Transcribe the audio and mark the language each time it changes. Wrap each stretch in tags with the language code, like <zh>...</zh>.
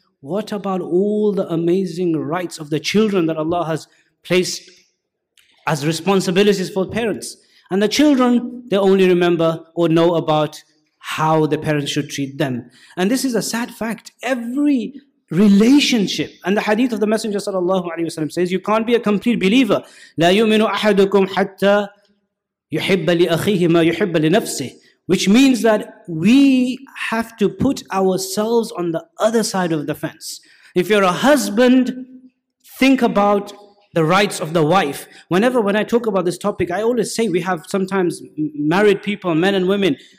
<en>What about all the amazing rights of the children that Allah has placed as responsibilities for parents? And the children, they only remember or know about how the parents should treat them. And this is a sad fact. Every relationship, and the hadith of the Messenger sallallahu alaihi wasallam says, you can't be a complete believer.</en> <ar>لا يؤمن أحدكم حتى يحب لأخيه ما يحب لنفسه.</ar> <en>Which means that we have to put ourselves on the other side of the fence. If you're a husband, think about the rights of the wife. When I talk about this topic, I always say we have sometimes married people, men and women.</en>